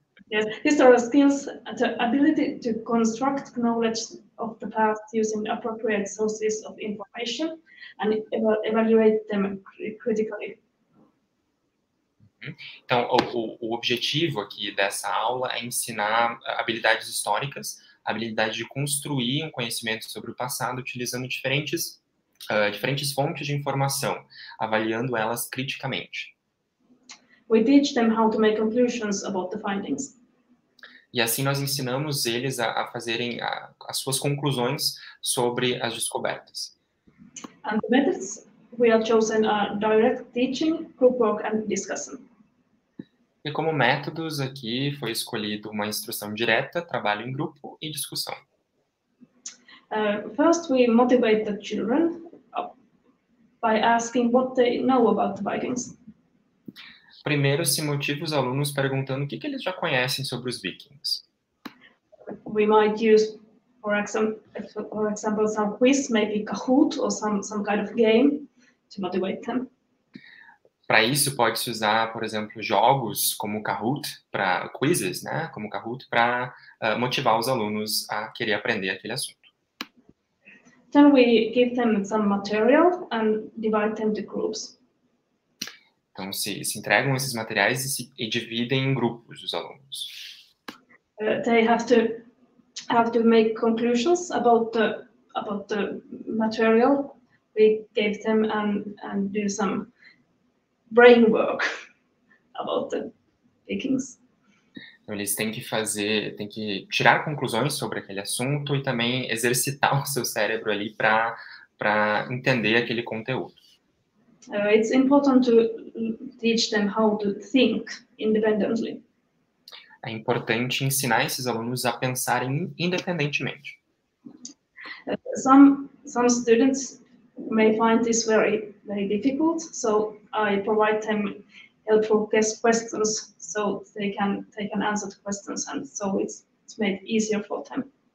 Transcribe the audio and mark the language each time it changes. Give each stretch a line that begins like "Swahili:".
English: Yes, historical skills, the ability to construct knowledge of the past using appropriate sources of information and evaluate them critically.
Portuguese: Então, o objetivo aqui dessa aula é ensinar habilidades históricas, habilidade de construir um conhecimento sobre o passado utilizando diferentes fontes de informação, avaliando elas criticamente.
English: We teach them how to make conclusions about the findings.
Portuguese: E assim nós ensinamos eles a fazerem as suas conclusões sobre as descobertas.
English: And the methods we have chosen are direct teaching, group work and discussion.
Portuguese: E como métodos aqui foi escolhido uma instrução direta, trabalho em grupo e discussão.
English: First we motivate the children by asking what they know about the Vikings.
Portuguese: Primeiro se motiva os alunos perguntando o que eles já conhecem sobre os Vikings.
English: We might use for example some quiz, maybe Kahoot or some kind of game to motivate them.
Portuguese: Para isso pode-se usar, por exemplo, jogos como Kahoot para quizzes, né? Como Kahoot para motivar os alunos a querer aprender aquele assunto.
English: Then we give them some material and divide them into groups.
Portuguese: Então se entregam esses materiais e dividem em grupos os alunos.
English: They have to make conclusions about the material we gave them and do some brain work about the Vikings.
Portuguese: Então, eles têm que tirar conclusões sobre aquele assunto e também exercitar o seu cérebro ali para entender aquele conteúdo.
English: It's important to teach them how to think independently.
Portuguese: É importante ensinar esses alunos a pensarem independentemente.
English: Some students may find this very, very difficult, so I provide them helpful guest questions so they can answer the questions and so it's made easier for them.